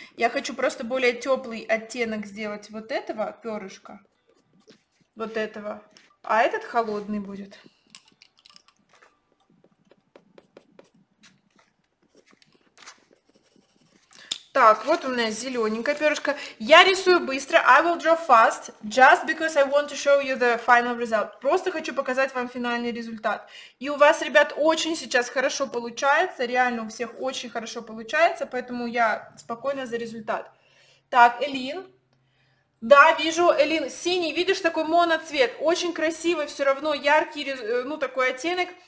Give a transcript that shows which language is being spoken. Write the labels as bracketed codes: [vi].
[ru] Я хочу просто более теплый оттенок сделать вот этого перышка. Вот этого. А этот холодный будет. Так, вот у меня зелененькое перышко. Я рисую быстро. [en] I will draw fast, just because I want to show you the final result. [ru] Просто хочу показать вам финальный результат. И у вас, ребят, очень сейчас хорошо получается. Реально у всех очень хорошо получается, поэтому я спокойна за результат. Так, Элин. Да, вижу, Элин. Синий, видишь, такой моноцвет. Очень красивый, все равно яркий, ну, такой оттенок.